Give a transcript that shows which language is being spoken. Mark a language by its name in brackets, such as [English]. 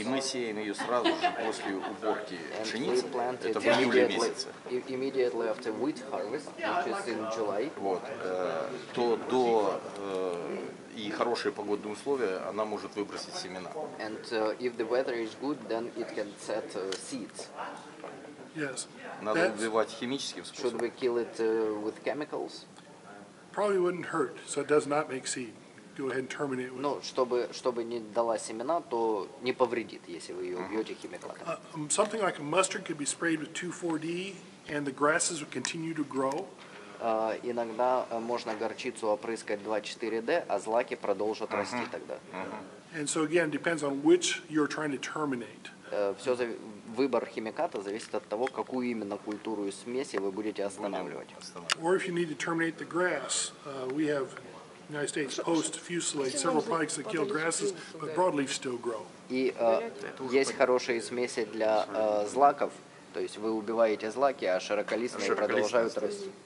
[Russian] И мы сеем ее сразу же после уборки пшеницы. Это в июле месяце. [English] Immediately after wheat harvest, which is in July. [Russian] Вот. То до и хорошие погодные условия, она может выбросить семена. [English] And if the weather is good, then it can set seeds. Yes. [Russian] Надо That's... убивать химическим способом. [English] Should we kill it with chemicals? Probably wouldn't hurt, so it does not make seed. Go ahead and terminate with... [Russian] Ну, чтобы не дала семена, то не повредит, если вы ее убьете химикатом. [English] Something like a mustard could be sprayed with 2,4-D, and the grasses would continue to grow. [Russian] Иногда можно горчицу опрыскать 2,4-D, а злаки продолжат расти тогда. [English] And so again, depends on which you're trying to terminate. [Russian] Выбор химиката зависит от того, какую именно культуру и смеси вы будете останавливать. [English] Or if you need to terminate the grass, we have United States Post Fusilade, several products that kill grasses, but broadleaf still grow. [Russian] И есть хорошие смеси для злаков, то есть вы убиваете злаки, а широколистные продолжают расти.